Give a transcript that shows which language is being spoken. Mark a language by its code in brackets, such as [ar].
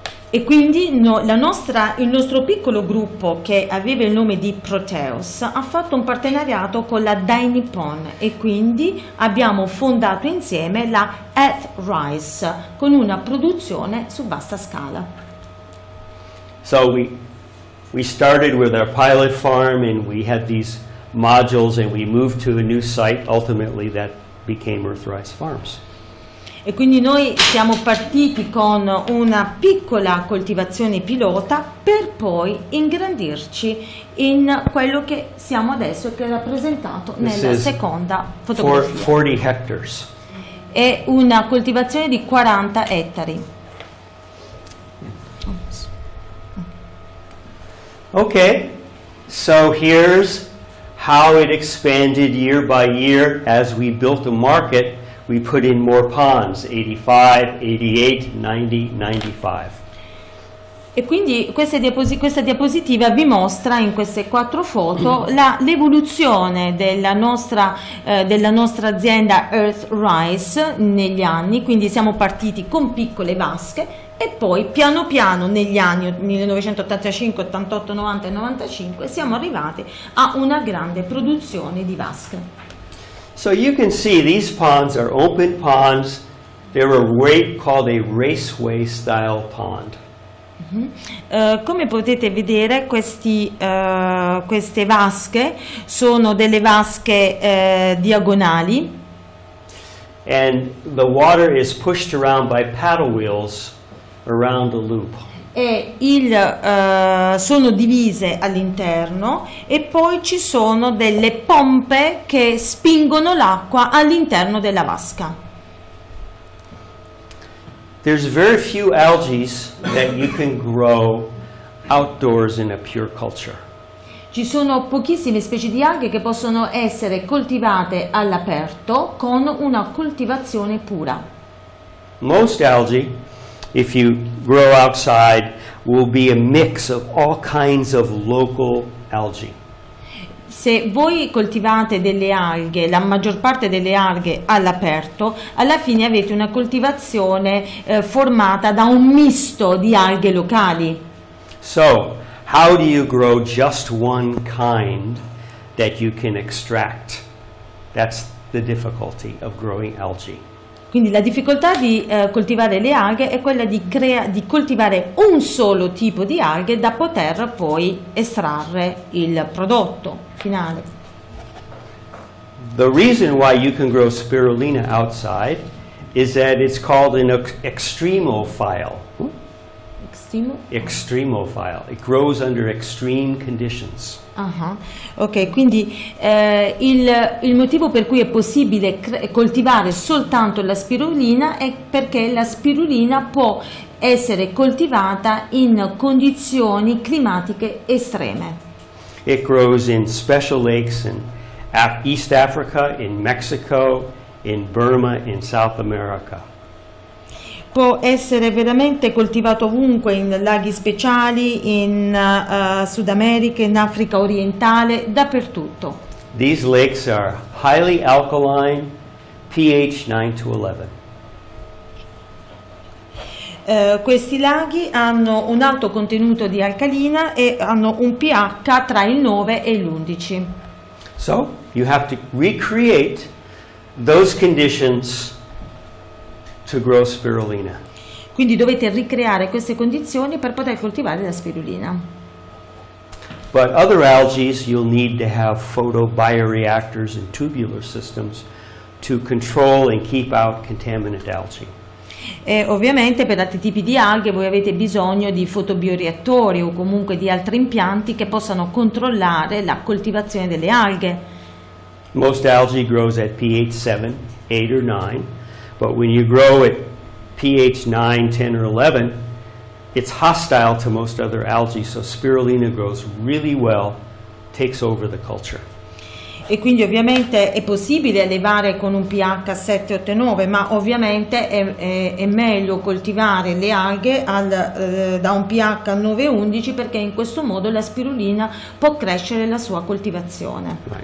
[it] E quindi il nostro piccolo gruppo, che aveva il nome di Proteus, ha fatto un partenariato con la Dynippon e quindi abbiamo fondato insieme la Earthrise con una produzione su vasta scala. [en] So we started with our pilot farm and we had these modules and we moved to a new site ultimately that became Earthrise Farms. [it] E quindi noi siamo partiti con una piccola coltivazione pilota per poi ingrandirci in quello che siamo adesso, che è rappresentato nella seconda fotografia. [en] 40 hectares. [it] È una coltivazione di 40 ettari. [en] Ok, so here's how it expanded year by year as we built a market. We put in more ponds, 85, 88, 90, 95. [it] E quindi questa diapositiva vi mostra in queste quattro foto l'evoluzione della nostra azienda Earthrise negli anni. Quindi siamo partiti con piccole vasche e poi piano piano negli anni 1985, 88, 90 e 95 siamo arrivati a una grande produzione di vasche. [en] So you can see these ponds are open ponds. They're called a raceway style pond. Mm-hmm. [it] Come potete vedere, queste vasche sono delle vasche diagonali. [en] And the water is pushed around by paddle wheels around a loop. [it] E sono divise all'interno e poi ci sono delle pompe che spingono l'acqua all'interno della vasca. [en] There's very few algae that you can grow outdoors in a pure culture. [it] Ci sono pochissime specie di alghe che possono essere coltivate all'aperto con una coltivazione pura. [en] Most algae, if you grow outside, will be a mix of all kinds of local algae. [it] Se voi coltivate delle alghe, la maggior parte delle alghe all'aperto, alla fine avete una coltivazione formata da un misto di alghe locali. [en] So, how do you grow just one kind that you can extract? That's the difficulty of growing algae. [it] Quindi la difficoltà di coltivare le alghe è quella di coltivare un solo tipo di alghe da poter poi estrarre il prodotto finale. [en] The reason why you can grow spirulina outside is that it's called an extremophile. Extremophile. It grows under extreme conditions. [it] Ok, quindi il motivo per cui è possibile coltivare soltanto la spirulina è perché la spirulina può essere coltivata in condizioni climatiche estreme. [en] It grows in special lakes in East Africa, in Mexico, in Burma, in South America. [it] Può essere veramente coltivato ovunque, in laghi speciali, in Sud America, in Africa orientale, dappertutto. [en] These lakes are highly alkaline, pH 9 to 11. [it] Questi laghi hanno un alto contenuto di alcalina e hanno un pH tra il 9 e l'11. [en] So, you have to recreate those conditions to grow spirulina. [it] Quindi dovete ricreare queste condizioni per poter coltivare la spirulina. [en] But other algaes you'll need to have photobioreactors and tubular systems to control and keep out contaminant algae. [it] E ovviamente per altri tipi di alghe voi avete bisogno di fotobioreattori o comunque di altri impianti che possano controllare la coltivazione delle alghe. [en] Most algae grows at pH 7, 8 or 9. But when you grow at pH 9, 10 or 11, it's hostile to most other algae, so spirulina grows really well, takes over the culture. [it] E quindi ovviamente è possibile allevare con un pH 7, 8 e 9, ma ovviamente è meglio coltivare le alghe da un pH 9 e 11 perché in questo modo la spirulina può crescere la sua coltivazione.